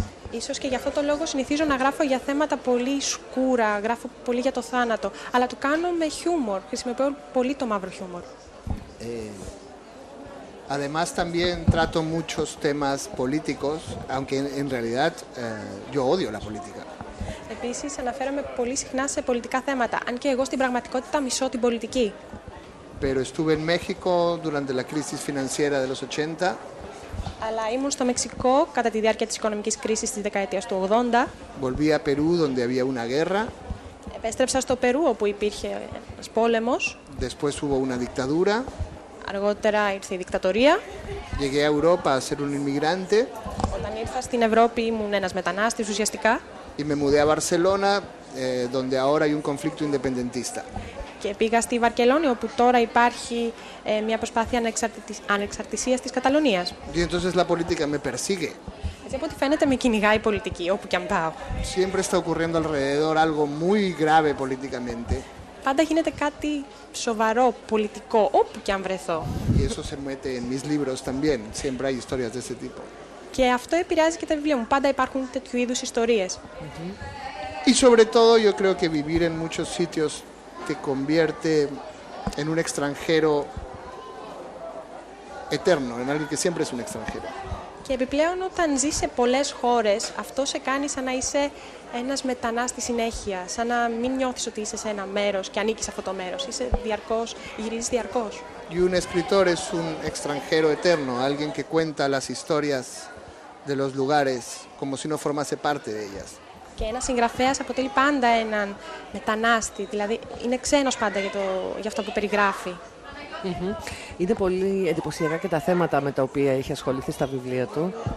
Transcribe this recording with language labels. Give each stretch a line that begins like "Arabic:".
Greek: Ίσως και γι' αυτό το λόγο συνηθίζω να γράφω για θέματα πολύ σκούρα, γράφω πολύ για το θάνατο, αλλά το κάνω με χιούμορ, χρησιμοποιώ πολύ το μαύρο χιούμορ.
Spanish: Además, también trato muchos temas políticos, aunque en realidad yo odio la política.
Greek: Επίσης, αναφέρομαι πολύ συχνά σε πολιτικά θέματα, αν και εγώ στην πραγματικότητα μισώ την πολιτική.
Spanish: Pero estuve en México durante la crisis financiera de los 80.
Greek: Αλλά ήμουν στο Μεξικό κατά τη διάρκεια της οικονομικής κρίσης της δεκαετίας του 80.
Spanish: Volví a Perú, donde había una guerra.
Greek: Επέστρεψα στο Περού, όπου υπήρχε ένας πόλεμος.
Spanish: Después hubo una dictadura.
Greek: Αργότερα ήρθε η δικτατορία.
Spanish: Llegué a Europa a ser un inmigrante.
Greek: Όταν ήρθα στην Ευρώπη ήμουν ένας μετανάστης ουσιαστικά.
Spanish: Y me mudé a Barcelona, donde ahora hay un conflicto independentista.
Greek: Και πήγα στη Βαρκελόνη, όπου τώρα υπάρχει μια προσπάθεια ανεξαρτησίας της Καταλωνίας.
Spanish: Y entonces la política me persigue.
Greek: Έτσι, από ό,τι φαίνεται, με κυνηγάει η πολιτική, όπου και αν πάω.
Spanish: Siempre está ocurriendo alrededor algo muy grave políticamente.
Greek: Πάντα γίνεται κάτι σοβαρό, πολιτικό, όπου και αν βρεθώ.
Spanish: Y eso se mete en mis libros también. Siempre hay historias de ese tipo.
Greek: Και αυτό επηρεάζει και τα βιβλία μου. Πάντα υπάρχουν τέτοιου είδους ιστορίες.
Spanish: Y sobre todo, yo creo que vivir en muchos sitios te convierte en un extranjero eterno, en alguien que siempre es un extranjero.
Greek: Και επιπλέον, όταν ζεις σε πολλές χώρες, αυτό σε κάνει σαν να είσαι ένας μετανάστης συνέχεια, σαν να μην νιώθεις ότι είσαι σε ένα μέρος και ανήκεις σε αυτό το μέρος. Είσαι διαρκώς, γυρίζεις διαρκώς.
Spanish: Y un escritor es un extranjero eterno, alguien que cuenta las historias de los lugares como si no formase parte de ellas.
Greek: Και ένας συγγραφέας αποτελεί πάντα έναν μετανάστη, δηλαδή είναι ξένος πάντα για αυτό που περιγράφει. Mm-hmm. Είναι πολύ εντυπωσιακά και τα θέματα με τα οποία έχει ασχοληθεί στα βιβλία του.